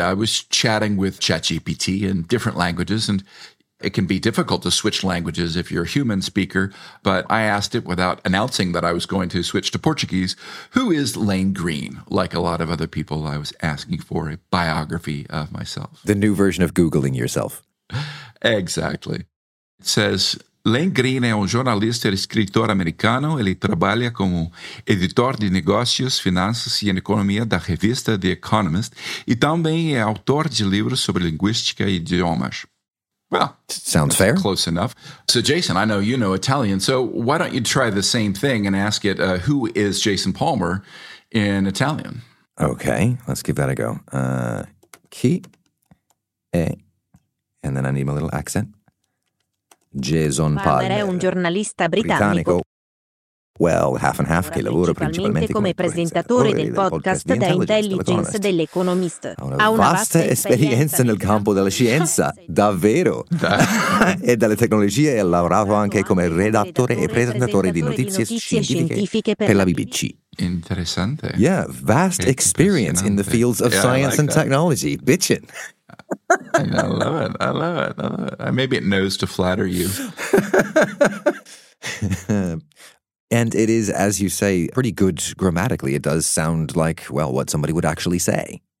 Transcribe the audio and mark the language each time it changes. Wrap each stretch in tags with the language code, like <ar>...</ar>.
<en>I was chatting with ChatGPT in different languages, and it can be difficult to switch languages if you're a human speaker, but I asked it without announcing that I was going to switch to Portuguese, who is Lane Green? Like a lot of other people, I was asking for a biography of myself. The new version of Googling yourself. Exactly. It says,</en> <pt>Lane Green é jornalista e escritor americano. Ele trabalha como editor de negócios, finanças e economia da revista The Economist, e também é autor de livros sobre linguística e idiomas.</pt> <en>Well, sounds fair. Close enough. So, Jason, I know you know Italian, so why don't you try the same thing and ask it, who is Jason Palmer in Italian? Okay, let's give that a go.</en> <it>Chi è,</it> <en>and then I need my little accent. Jason Palmer</en> <it>è un giornalista britannico.</it> <en>Well, half and half,</en> <it>che lavora principalmente come presentatore del podcast The Intelligence dell'Economist. Ha una vasta esperienza nel campo della scienza, davvero, e dalle tecnologie ha lavorato anche come redattore e presentatore di notizie scientifiche per la BBC. Interessante.</it> <en>Yeah, vast experience in the fields of science and technology. Bitchin'. I love it. I love it. I love it. Maybe it knows to flatter you. And it is, as you say, pretty good grammatically. It does sound like, well, what somebody would actually say.</en>